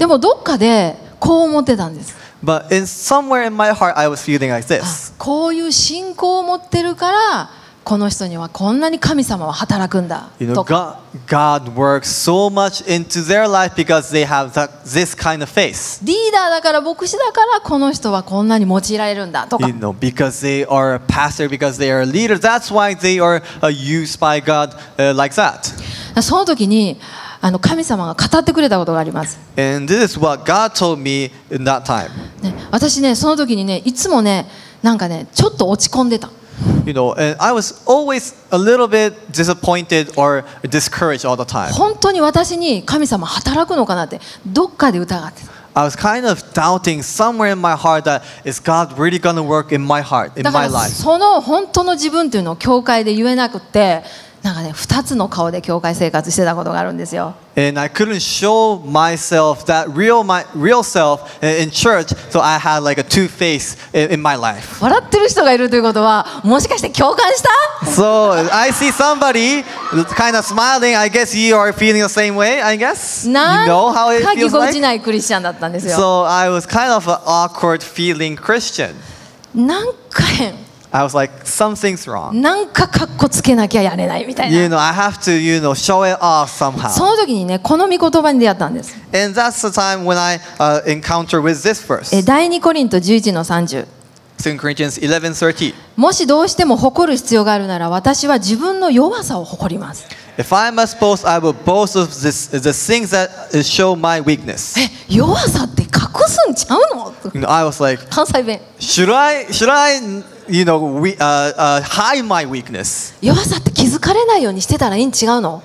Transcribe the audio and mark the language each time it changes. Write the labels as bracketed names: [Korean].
[Japanese] でもどっかでこう思ってたんです。 [English] But in somewhere in my heart, I was feeling like this. [Japanese] こういう信仰を持ってるから。この人にはこんなに神様は働くんだ。 [English] You know, God works so much into their life because they have this kind of faith. [Japanese] リーダーだから牧師だからこの人はこんなに用いられるんだとか。 [English] You know, because they are a pastor, because they are a leader, that's why they are used by God like that. [Japanese] その時に神様が語ってくれたことがあります。 [English] And this is what God told me in that time. [Japanese] ね、私ね、その時にね、いつもね、なんかね、ちょっと落ち込んでた。 [English] You know, and I was always a little bit disappointed or discouraged all the time. [Japanese] 本当に私に神様働くのかなってどっかで疑って。 [English] I was kind of doubting somewhere in my heart that is God really going to work in my heart, in my life. [Japanese] その本当の自分というのを教会で言えなくて、なんかね、二つの顔で教会生活してたことがあるんですよ。 [English] And I couldn't show myself that real self in church, so I had like a two face in my life. [Japanese] 笑ってる人がいるということは、もしかして共感した？ [English] So I see somebody kind of smiling. I guess you are feeling the same way. I guess you know how it feels like. [Japanese] 書き込んでないクリスチャンだったんですよ。 [English] So I was kind of an awkward feeling Christian. [Japanese] なんか変。 [English] I was like, something's wrong. [Japanese] なんかカッコつけなきゃやれないみたいな。 [English] You know, I have to, you know, show it off somehow. [Japanese] その時にね、この御言葉に出会ったんです。 [English] And that's the time when I encounter with this verse. [Japanese] 第2コリント 11:30。 [English] 2 Corinthians 11:30. [Japanese] もしどうしても誇る必要があるなら、私は自分の弱さを誇ります。 [English] If I must boast, I will boast of the things that show my weakness. [Japanese] 弱さって隠すんちゃうの？ [English] I was like, [Japanese] 関西弁。 [English] Should I? You know, hide my weakness. [Japanese] 弱さって気づかれないようにしてたらいいん違うの？